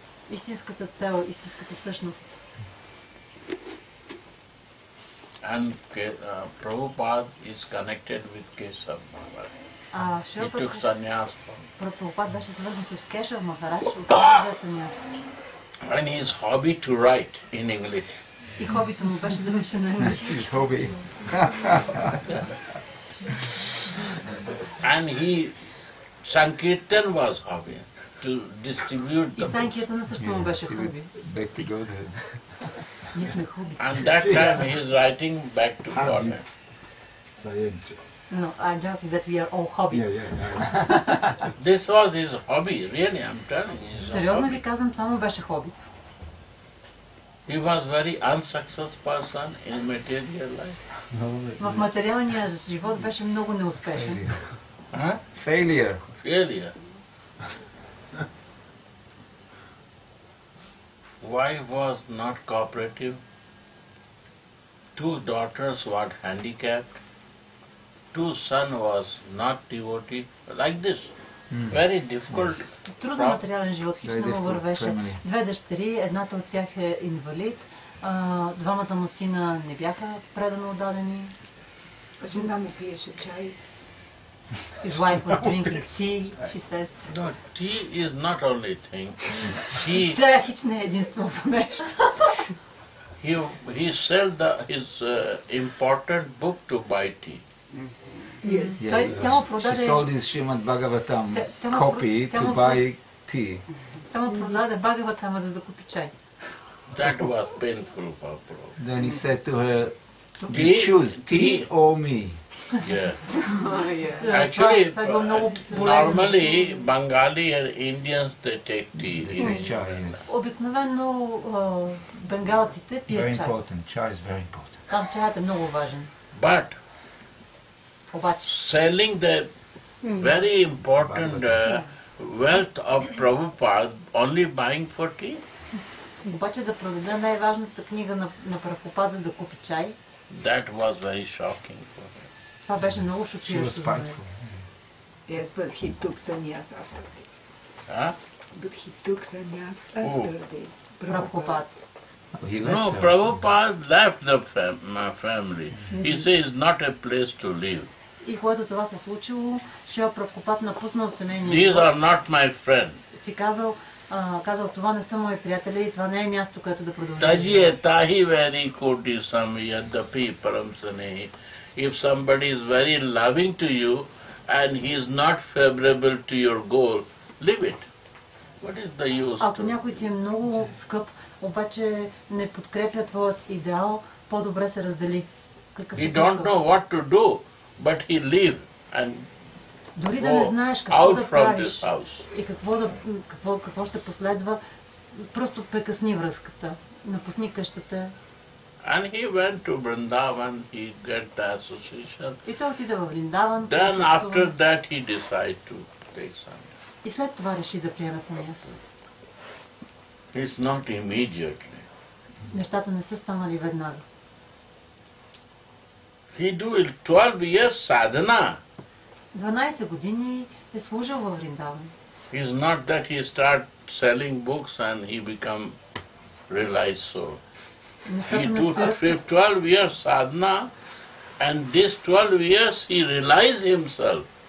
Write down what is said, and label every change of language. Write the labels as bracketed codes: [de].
[bg] истинската цел, истинската същност. [en] And Prabhupada is connected with Keshav Maharaj. He took sannyas from. [bg] Prabhupada беше свързан с Кешав Махарадж, отказа сънняс. [en] And his hobby to write in English. [bg] И хобито му беше да пише на английски. [en] His hobby. And he Sankirtan was hobby to distribute the. [bg] И Sankirtan също му беше хобби. [en] Back to Godhead. And that time he is writing back to Godhead. No, I doubt that we are all hobbies. Yeah, yeah, yeah. This was his hobby, really, I'm telling you. [bg] Сериозно ви казвам, това му беше хобито. [en] He was very unsuccessful person in material life. [bg] В материалния живот беше много неуспешен. [en] Failure. Failure. Wife was not cooperative. Two daughters were handicapped. Two son was not devotee. Like this. Mm. Very difficult. [bg] Труден материален живот, хищно му вървеше. Две дъщери, едната от тях е инвалид. Двамата му сина не бяха предано отдадени. Жена му пиеше чай. [en] His wife was drinking tea, she says. No, tea is not only thing. She [bg] чая хич не е единственото нещо. [en] He sells his important book to buy tea. Yes. [bg] Yeah, продаде... [en] She sold his Shrimad Bhagavatam copy to buy tea. [bg] Тя му продаде Бхагаватам, за да купи чай. [en] That was painful for Prabhupada. Then he said to her, do you choose tea or me? Yeah. Actually, normally Bengali or Indians they take tea. [bg] Обикновено бенгалците пият чай. [en] Very important. Chai is very important. [bg] Там чаят е много важен. [en] But [bg] обаче [en] selling the very important wealth of Prabhupada only buying for tea? [bg] Обаче да продаде най-важната книга на Прабхупада, за да купи чай? [en] That was very shocking for her. [bg] Това беше много шокиращо за мен. [en] Yes, but he took sannyas after this. But he took sannyas after this. Prabhupada. No, Prabhupada left the my family. He says not a place to live. [bg] И когато това се случило, Шрила Прабхупада напуснал семейния. [en] These are not my friends. [bg] Си казал, казал, това не са мои приятели и това не е място, което да продължи. [sa] Тази е тахи вери коти самиядапи парамсанехи. [en] If somebody is very loving to you and he is not favorable to your goal, leave it. What is the use? [bg] Ако някой ти е много скъп, обаче не подкрепя твоят идеал, по-добре се раздели. [en] He don't know what to do, but he leave and [bg] дори да не знаеш какво да правиш и какво ще последва, просто прекъсни връзката, напусни къщата. [en] And he went to Vrindavan, he got the association. [bg] И той отиде в Вриндаван. [en] Then after that he decided to take sannyas. [bg] И след това реши да приеме сънняс. [en] It's not immediately. [bg] Нещата не са станали веднага. [en] He do 12 years sadhana. [bg] 12 години е служил в Вриндаван. [en] It's not that he start selling books and he become realized soul. He took 12 years sadhana and this 12 years he realized himself.